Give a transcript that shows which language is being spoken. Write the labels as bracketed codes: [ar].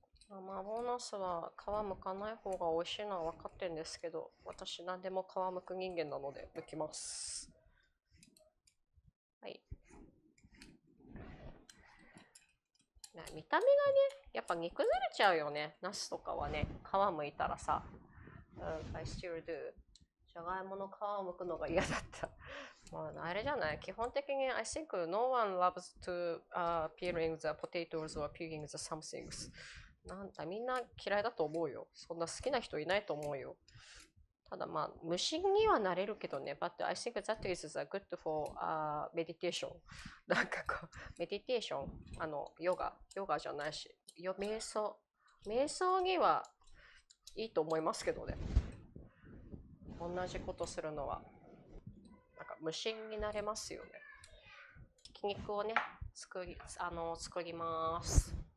[ja] マーボーナスは皮むかない方が美味しいのは分かってるんですけど、私何でも皮むく人間なので向きます。見た目がね、やっぱ煮崩れちゃうよね、ナスとかはね、皮むいたらさ。 [en] I still do。 [ja] じゃがいもの皮をむくのが嫌だった。まあ、あれじゃない、基本的に [en] I think no one loves to peeling the potatoes or peeling the something。 [ja] なんだ、みんな嫌いだと思うよ。そんな好きな人いないと思うよ。ただまあ、無心にはなれるけどね。 [en] But I think that is a good for meditation. [ja] なんかこう、メディテーション、あの、ヨガ、ヨガじゃないし、瞑想、瞑想にはいいと思いますけどね。同じことするのは、なんか無心になれますよね。ひき肉をね、作ります。